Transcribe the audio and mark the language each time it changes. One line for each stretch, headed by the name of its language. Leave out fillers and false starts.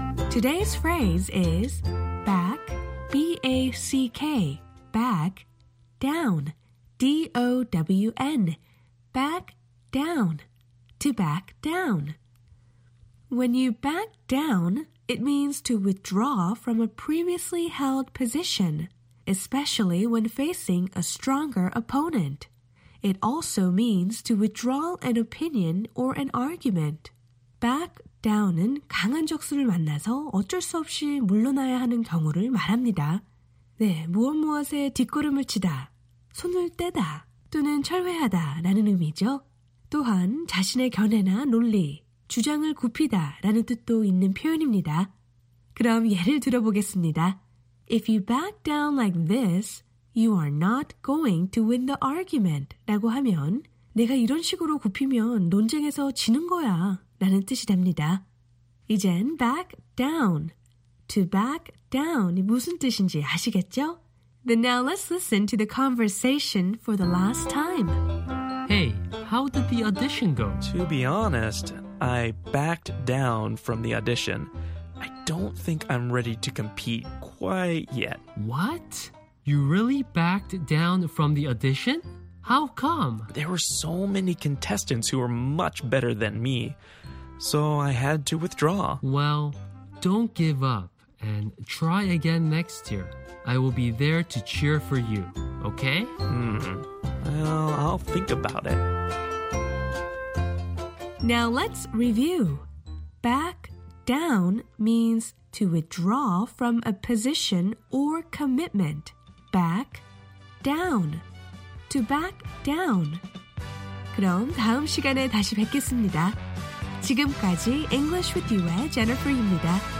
English: Today's phrase is back, B-A-C-K, back, down, D-O-W-N, back, down, to back down. When you back down, it means to withdraw from a previously held position, especially when facing a stronger opponent. It also means to withdraw an opinion or an argument.
Korean: Back down은 강한 적수를 만나서 어쩔 수 없이 물러나야 하는 경우를 말합니다. 네, 무엇 무엇에 뒷걸음을 치다, 손을 떼다, 또는 철회하다 라는 의미죠. 또한 자신의 견해나 논리, 주장을 굽히다 라는 뜻도 있는 표현입니다. 그럼 예를 들어보겠습니다.
English: If you back down like this, you are not going to win the argument.
Korean: 라고 하면 내가 이런 식으로 굽히면 논쟁에서 지는 거야 라는 뜻이 됩니다. 이젠 back down. To back down이 무슨 뜻인지 아시겠죠?
English: Then now let's listen to the conversation for the last time. Hey, how did the audition go? To be honest, I backed down from the audition. I don't think I'm ready to compete quite yet. What? You really backed down from the audition? How come? There were so many contestants who were much better than me, so I had to withdraw. Well, don't give up and try again next year. I will be there to cheer for you, okay? I'll think about it. Now let's review. Back down means to withdraw from a position or commitment. Back down. To back down.
Korean: 그럼 다음 시간에 다시 뵙겠습니다. 지금까지 English with You의 Jennifer입니다.